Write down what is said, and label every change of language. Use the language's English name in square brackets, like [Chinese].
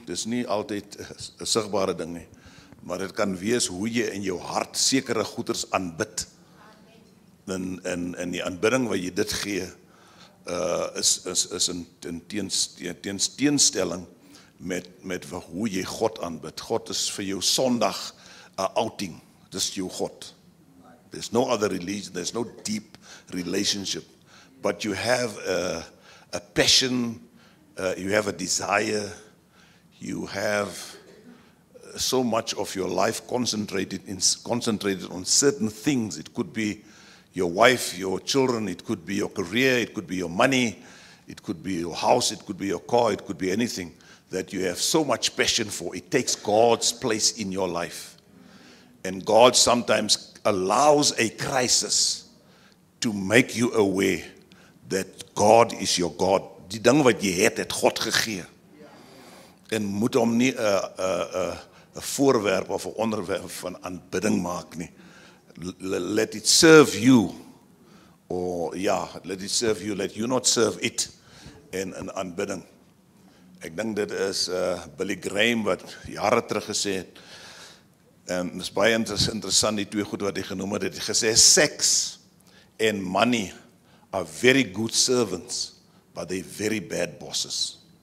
[Afrikaans] Dis nie altyd 'n sigbare ding nie. Maar dit kan wees hoe jy in jou hart sekere goeders aanbid. Amen. En die aanbidding wat jy dit gee is in teenstelling met hoe jy God aanbid. God is vir jou Sondag 'n outing. Dis jou God. [English] There's no other religion, there's no deep relationship, but you have a passion, you have a desire, you have so much of your life concentrated on certain things. It could be your wife, your children, it could be your career, it could be your money, it could be your house, it could be your car, it could be anything that you have so much passion for. It takes God's place in your life. And God sometimes allows a crisis to make you aware that God is your God. [Afrikaans] Die ding wat jy het, het God gegee. En moet hom nie 'n voorwerp of 'n onderwerp van aanbidding maak nie. [English] Let it serve you. Let it serve you. Let you not serve it in an aanbidding. [Afrikaans] Ek dink dit is Billy Graham wat jare terug gesê het. En dis baie interessant die twee goed wat hy genoem het. Hy het gesê [English] sex and money are very good servants, but they're very bad bosses.